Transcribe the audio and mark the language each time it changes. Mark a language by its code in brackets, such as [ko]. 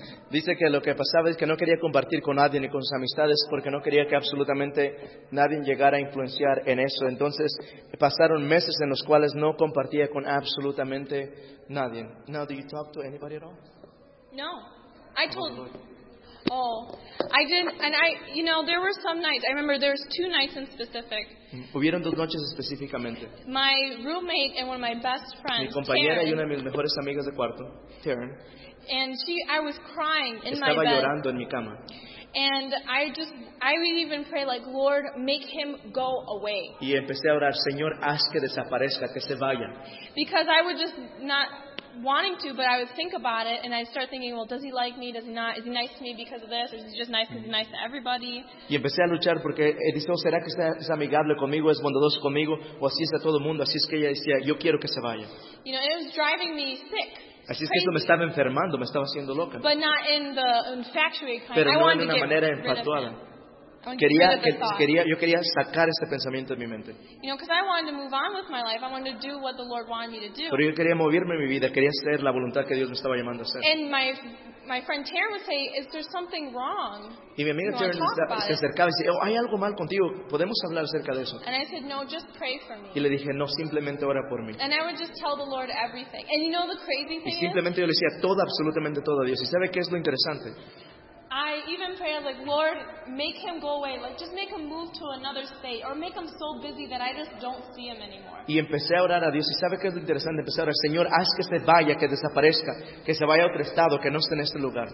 [es] Dice que lo que pasaba es que no quería compartir con nadie ni con sus amistades porque no quería que absolutamente nadie llegara a influenciar en eso. Entonces pasaron meses en los cuales no compartía con absolutamente nadie. [en] Now, do you talk to anybody at all? No. I told... Oh, I didn't, and I, you know, there were some nights, I remember there's two nights in specific. [es] Hubieron dos noches específicamente. [en] My roommate and one of my best friends, [es] mi compañera [en] Taryn, [es] y una de mis mejores amigas de cuarto, Taryn, [en] and she, I was crying in [es] estaba [en] my bed. [es] Llorando en mi cama. [en] And I would even pray like, Lord, make him go away. [es] Y empecé a orar, Señor, haz que desaparezca, que se vaya. [en] Because I would just not... wanting to, but I would think about it and I'd start thinking, well, does he like me? Does he not? Is he nice to me because of this? Or is he just nice because he's nice to everybody? [es] Y empecé a luchar porque dice, ¿será que es amigable conmigo? ¿Es bondadoso conmigo? ¿O así es de todo el mundo? Así es que ella decía, yo quiero que se vaya. [en] You know, it was driving me sick. [es] Así es que eso me estaba enfermando, me estaba haciendo loca. [en] But not in the infatuated kind. [es] Pero [en] I [es] no de una manera infatuada. Yo quería sacar este pensamiento de mi mente. [en] You know, because I wanted to move on with my life. I wanted to do what the Lord wanted me to do. [es] Pero yo quería moverme en mi vida. Quería hacer la voluntad que Dios me estaba llamando a hacer. [en] And my friend Taryn would say, "Is there something wrong?" [es] Y mi amiga Taryn se acercaba y decía, oh, ¿hay algo mal contigo? ¿Podemos hablar acerca de eso? [en] And I said, "No, just pray for me." [es] Y le dije, no, simplemente ora por mí. [en] And I would just tell the Lord everything. And you know the crazy thing is? [es] Y simplemente yo le decía todo, absolutamente todo a Dios. ¿Y sabe qué es lo interesante? [en] I even pray, I was like, Lord, make him go away. Like, just make him move to another state. Or make him so busy that I just don't see him anymore. [es] Y empecé a orar a Dios. ¿Y sabe qué es lo interesante? Empecé a orar, Señor, haz que se vaya, que desaparezca, que se vaya a otro estado, que no esté en este lugar.